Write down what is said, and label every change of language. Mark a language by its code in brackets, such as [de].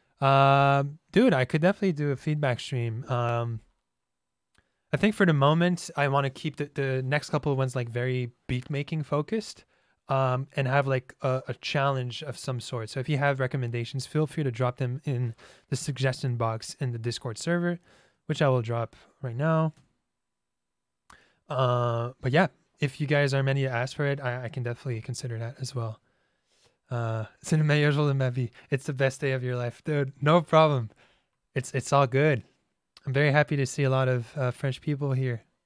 [en] Dude, I could definitely do a feedback stream. I think for the moment, I want to keep the next couple of ones like very beat making focused, and have like a challenge of some sort. So if you have recommendations, feel free to drop them in the suggestion box in the Discord server, which I will drop right now. But yeah, if you guys are many to ask for it, I can definitely consider that as well. [fr] C'est le meilleur jour de ma vie. [en] It's the best day of your life, dude. No problem. It's all good. I'm very happy to see a lot of French people here.